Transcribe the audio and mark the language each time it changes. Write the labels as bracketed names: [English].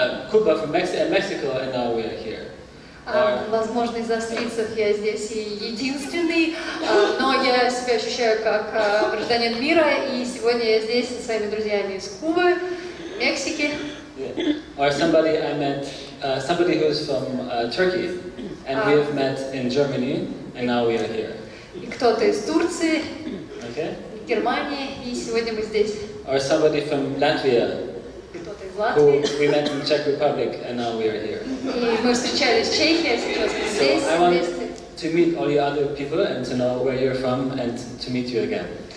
[English] Куба from Mexico, and now we are here. [Russian] Возможно, из австрийцев я здесь единственный, но я себя ощущаю как гражданин мира, и сегодня я здесь со своими друзьями из Кубы, Мексики. [English] Yeah. Or somebody I met, somebody who is from Turkey, and we have met in Germany, and now we are here. [Russian] И кто-то из Турции, [English] okay. [Russian] Германии, и сегодня мы здесь. [English] Or somebody from Latvia, who we met in Czech Republic, and now we are here. So I want to meet all the other people and to know where you're from and to meet you again.